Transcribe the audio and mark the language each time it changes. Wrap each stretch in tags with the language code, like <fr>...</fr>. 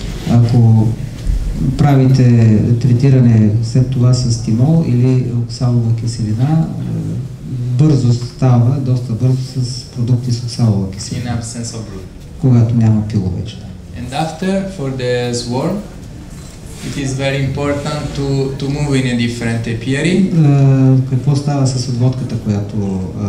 <bg>Ако правите третиране след това с тимол или оксалова киселина, бързо става, доста бързо с продукти с оксалова киселина.</bg> <en>In absence of brood.</en> <bg>Когато няма пило вече.</bg> <en>And after for the swarm, it is very important to move in a different apiary.</en> <bg>Какво става с отводката, която</bg>